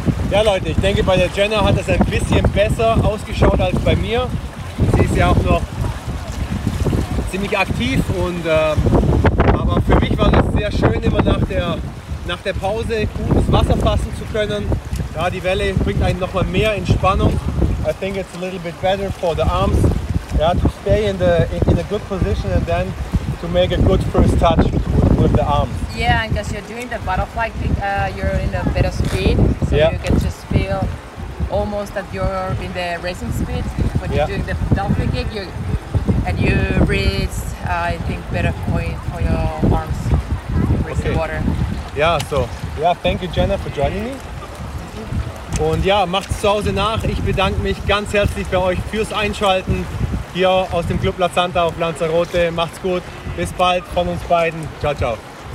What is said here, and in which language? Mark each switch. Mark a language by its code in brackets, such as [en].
[de] Ja Leute, ich denke bei der Jenna hat das ein bisschen besser ausgeschaut als bei mir. Sie ist ja auch noch ziemlich aktiv und aber für mich war das sehr schön, immer nach der Pause gutes Wasser fassen zu können. Ja, die Welle bringt einen nochmal mehr in Spannung. [en] I think it's a little bit better for the arms. Yeah, to stay in a good position and then to make a good first touch with the arms. Yeah, and because you're doing the butterfly kick, you're in a better speed. So yeah. You can just feel almost that you're in the racing speed. When yeah. You're doing the dolphin kick, you reach, I think, better point for your arms with okay. The water. Yeah, so, yeah, thank you, Jenna, for joining me. [de] Und ja, macht zu Hause nach. Ich bedanke mich ganz herzlich bei euch fürs Einschalten hier aus dem Club La Santa auf Lanzarote. Macht's gut. Bis bald von uns beiden. Ciao, ciao.